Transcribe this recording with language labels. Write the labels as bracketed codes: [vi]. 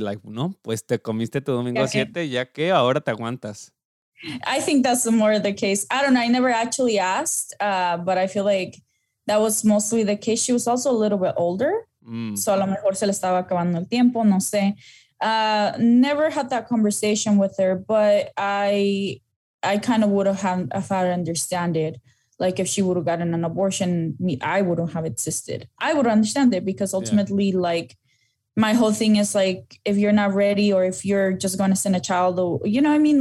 [es] Like, no, pues te comiste tu domingo siete, ya que ahora te aguantas. [en] I think that's more the case. I don't know. I never actually asked, but I feel like that was mostly the case. She was also a little bit older. [es] So a lo mejor se le estaba acabando el tiempo, no sé. [en] Never had that conversation with her, but I kind of would have had understand it. Like if she would have gotten an abortion, I wouldn't have existed. I would understand it because ultimately, yeah. Like my whole thing is like, if you're not ready or if you're just going to send a child, you know what I mean?